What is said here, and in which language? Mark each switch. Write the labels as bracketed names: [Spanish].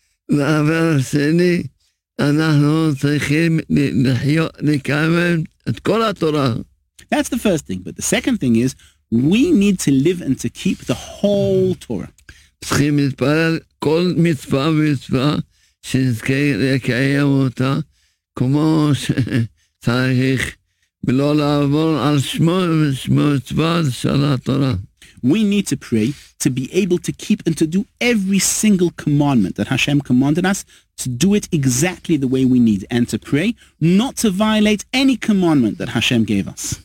[Hebrew] דבר שני, אנחנו צריכים לחיות, לקיים את כל התורה. [English] That's the first thing. But the second thing is, we need to live and to keep the whole Torah. [Hebrew] צריכים להתפלל כל מצווה ומצווה שנזכה לקיים אותה, כמו שצריך, ולא לעבור על שמו מצווה של התורה. [English] We need to pray to be able to keep and to do every single commandment that Hashem commanded us, to do it exactly the way we need, and to pray not to violate any commandment that Hashem gave us.